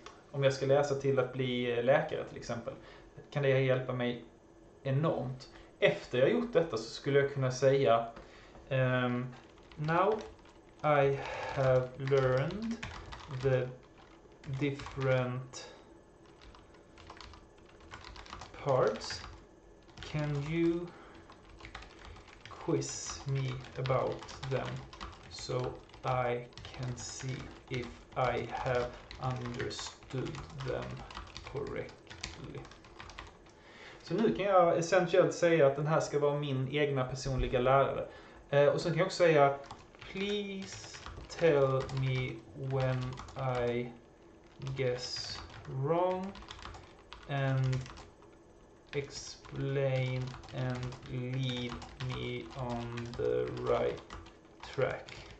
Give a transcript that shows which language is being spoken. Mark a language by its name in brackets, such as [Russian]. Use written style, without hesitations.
[Swedish] Om jag ska läsa till att bli läkare till exempel, kan det hjälpa mig enormt. Efter jag gjort detta så skulle jag kunna säga [English] now I have learned the different parts. Can you quiz me about them so I can see if I have understood them correctly. [Swedish] Så nu kan jag essentiellt säga att den här ska vara min egna personliga lärare. Och sen kan jag också säga [English] please tell me when I guess wrong and explain and lead me on the right track.